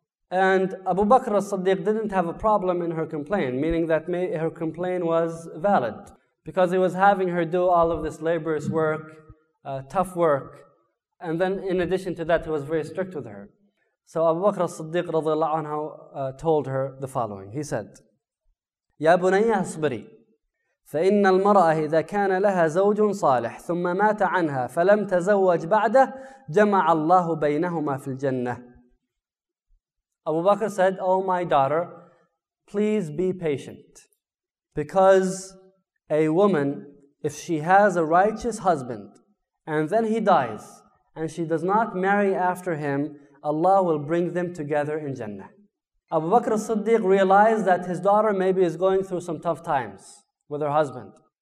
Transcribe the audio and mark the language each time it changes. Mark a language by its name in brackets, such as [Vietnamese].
[English] And Abu Bakr as-Siddiq didn't have a problem in her complaint, meaning that her complaint was valid, because he was having her do all of this laborious work, tough work. And then in addition to that, he was very strict with her. So Abu Bakr as-Siddiq radiallahu anhu told her the following. He said, [Arabic] يَا بُنَيَّا صَبْرِي فَإِنَّ الْمَرْأَةَ إِذَا كَانَ لَهَا زَوْجٌ صَالِحٌ ثُمَّ مَاتَ عَنْهَا فَلَمْ تَزَوَّجْ بَعْدَهُ جَمَعَ اللَّهُ بَيْنَهُمَا فِي الْجَنَّةِ. [English] Abu Bakr said, "Oh my daughter, please be patient. Because a woman, if she has a righteous husband, and then he dies, and she does not marry after him, Allah will bring them together in Jannah." Abu Bakr as-Siddiq realized that his daughter maybe is going through some tough times with her husband.